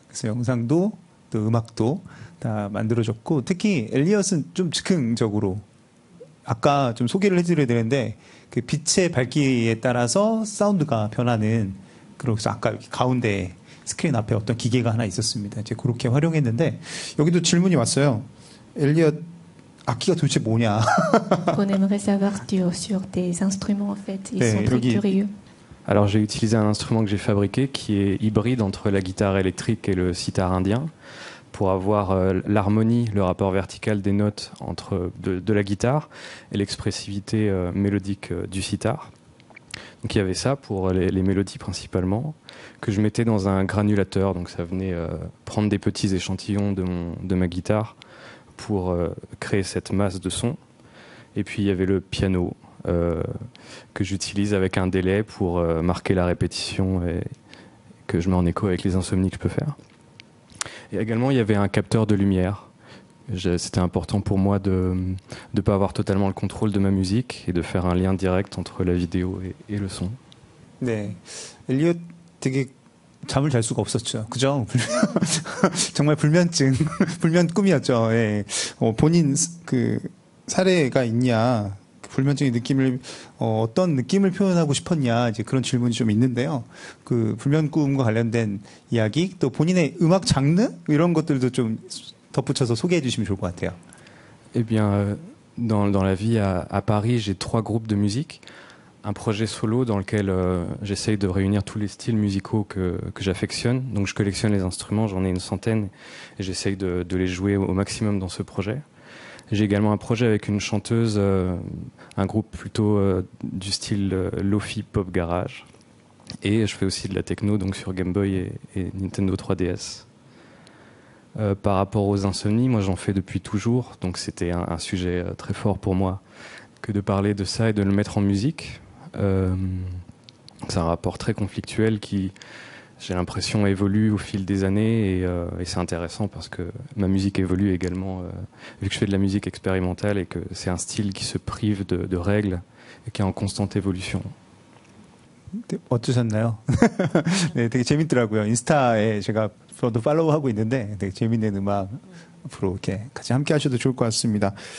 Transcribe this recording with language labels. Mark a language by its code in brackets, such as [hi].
[ko] 그래서 영상도 또 음악도 다 만들어졌고, 특히 엘리엇은 좀 즉흥적으로 아까 좀 소개를 해드려야 되는데, 그 빛의 밝기에 따라서 사운드가 변하는, 그래서 아까 여기 가운데 스크린 앞에 어떤 기계가 하나 있었습니다. 이제 그렇게 활용했는데, 여기도 질문이 왔어요. 엘리엇 악기가 도대체 뭐냐? [fr] On aimerait savoir sur des instruments en fait, ils sont très curieux. Alors j'ai utilisé un instrument que j'ai fabriqué qui est hybride entre la guitare électrique et le sitar indien pour avoir l'harmonie, le rapport vertical des notes entre de la guitare et l'expressivité mélodique du sitar. Donc il y avait ça pour les mélodies principalement, que je mettais dans un granulateur, donc ça venait prendre des petits échantillons de ma guitare pour créer cette masse de son. Et puis il y avait le piano que j'utilise avec un délai pour marquer la répétition et que je mets en écho avec les insomnies que je peux faire. Et également il y avait un capteur de lumière. C'était important pour moi de ne pas avoir totalement le contrôle de ma musique et de faire un lien direct entre la vidéo et le son. [ko] 네, 엘리엇 되게 잠을 잘 수가 없었죠. 그죠? 정말 불면증, 불면 꿈이었죠. 예. 본인 그 사례가 있냐, 불면증의 느낌을 어떤 느낌을 표현하고 싶었냐, 이제 그런 질문이 좀 있는데요. 그 불면 꿈과 관련된 이야기, 또 본인의 음악 장르 이런 것들도 좀 덧붙여서 소개해 주시면 좋을 것 같아요. [fr] Eh bien, dans la vie à Paris, j'ai trois groupes de musique. Un projet solo dans lequel j'essaye de réunir tous les styles musicaux que j'affectionne. Donc, je collectionne les instruments, j'en ai une centaine, et j'essaye de les jouer au maximum dans ce projet. J'ai également un projet avec une chanteuse, un groupe plutôt du style lofi pop garage. Et je fais aussi de la techno, donc sur Game Boy et Nintendo 3DS. Par rapport aux insomnies, moi j'en fais depuis toujours, donc c'était un sujet très fort pour moi que de parler de ça et de le mettre en musique. C'est un rapport très conflictuel qui, j'ai l'impression, évolue au fil des années et c'est intéressant parce que ma musique évolue également, vu que je fais de la musique expérimentale et que c'est un style qui se prive de règles et qui est en constante évolution. [ko] 어떠셨나요? 네, 되게 재밌더라고요. 인스타에 제가 저도 팔로우하고 있는데 되게 재밌는 음악 앞으로 이렇게 같이 함께 하셔도 좋을 것 같습니다.